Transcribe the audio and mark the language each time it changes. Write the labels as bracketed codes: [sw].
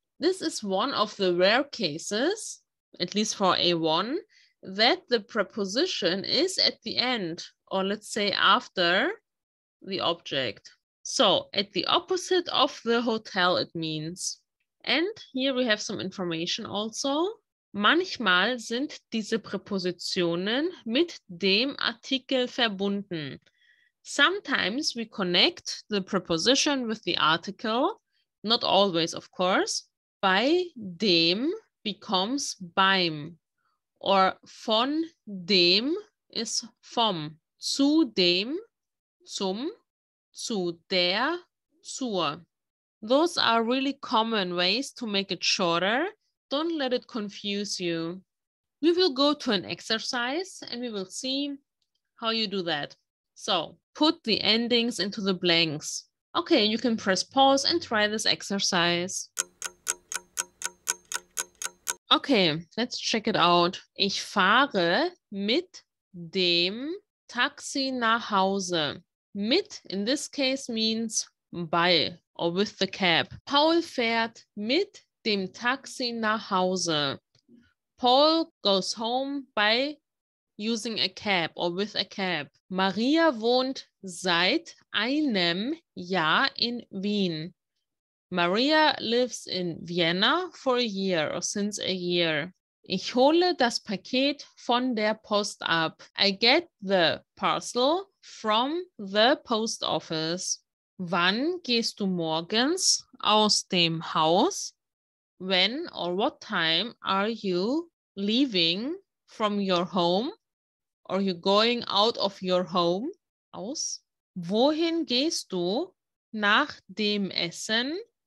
[en] This is one of the rare cases, at least for A1, that the preposition is at the end, or let's say after the object. So at the opposite of the hotel, it means. And here we have some information also. [de] Manchmal sind diese Präpositionen mit dem Artikel verbunden. [en] Sometimes we connect the preposition with the article, not always, of course. Bei dem becomes beim, or von dem is vom, zu dem, zum, zu der, zur. Those are really common ways to make it shorter. Don't let it confuse you. We will go to an exercise and we will see how you do that. So put the endings into the blanks. Okay, you can press pause and try this exercise. [de] Okay, [en] let's check it out. [de] Ich fahre mit dem Taxi nach Hause. [en] Mit in this case means by or with the cab. [de] Paul fährt mit dem Taxi nach Hause. [en] Paul goes home by using a cab or with a cab. [de] Maria wohnt seit einem Jahr in Wien. [en] Maria lives in Vienna for a year or since a year. [de] Ich hole das Paket von der Post ab. [en] I get the parcel from the post office. [de] Wann gehst du morgens aus dem Haus? [en] When or what time are you leaving from your home? Or you going out of your home? [de] Aus? Wohin gehst du nach dem Essen?